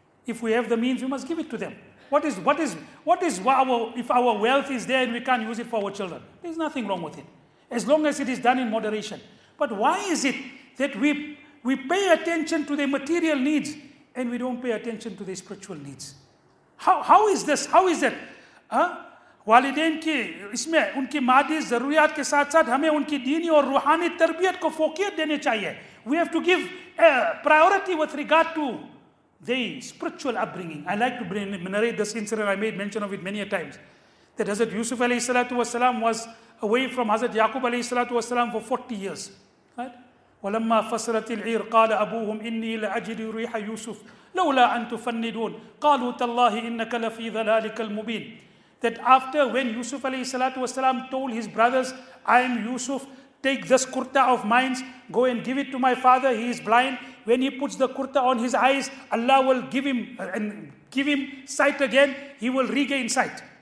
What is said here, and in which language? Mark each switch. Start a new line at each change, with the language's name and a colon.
English: If we have the means, we must give it to them. If our wealth is there and we can't use it for our children? There's nothing wrong with it, as long as it is done in moderation. But why is it that we pay attention to their material needs and we don't pay attention to their spiritual needs? How is this? How is that?
Urdu: والدین کی اس میں ان کی مادی ضروریات کے ساتھ ساتھ ہمیں ان کی دینی اور روحانی تربیت کو فوقیت دینے چاہیے.
English: We have to give priority with regard to their spiritual upbringing. I like to narrate this incident. I made mention of it many a times. That Hazrat Yusuf alayhi salatu wasalam was away from Hazrat Yaqub alayhi salatu wasalam for 40 years. Right?
Arabic: ولما فصلت العير قال أبوهم إني لأجد ريح يوسف لولا أن تفندون قالوا تالله إنك لفي ذلالك المبين.
English: That after when Yusuf alayhi salatu wasalam told his brothers, I am Yusuf, take this kurta of mine, go and give it to my father, he is blind. When he puts the kurta on his eyes, Allah will give him and give him sight again, he will regain sight.